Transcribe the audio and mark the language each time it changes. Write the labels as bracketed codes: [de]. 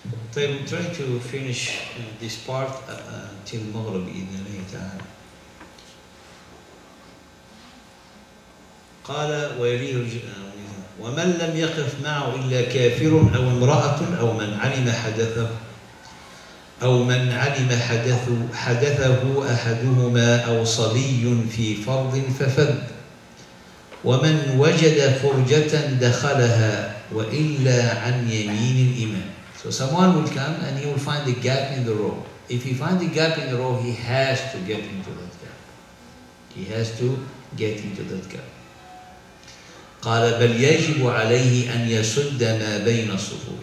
[en] So I'm trying to finish this part till Maghrib in the meantime. [ar] قال ويليه ومن لم يقف معه إلا كافر أو امرأة أو من علم حدثه أو من علم حدثه أحدهما أو صبي في فرض ففد ومن وجد فرجة دخلها وإلا عن يمين الإمام. [en] So someone will come and he will find a gap in the row. If he finds a gap in the row, he has to get into that gap. He has to get into that gap. [ar] قال بل يجب عليه أن يسد ما بين الصفوف.